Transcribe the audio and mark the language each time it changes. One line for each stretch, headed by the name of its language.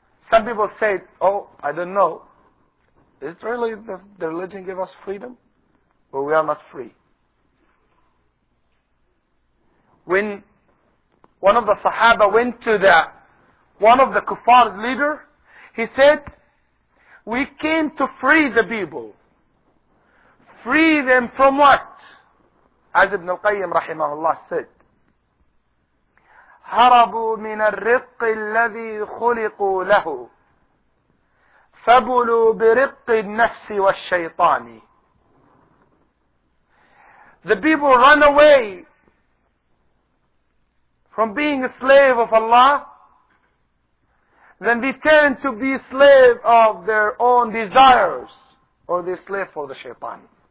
English: Some people say, oh, I don't know. Is it really the religion give us freedom? Well, we are not free. When one of the Sahaba went to one of the Kuffar's leader, he said, we came to free the people. Free them from what? As Ibn al-Qayyim rahimahullah said,
Arabic: هربوا من الرق الذي خلقوا له فبلوا برق النفس والشيطان.
English: The people run away from being a slave of Allah, then they turn to be slave of their own desires, or they slave for the shaitan.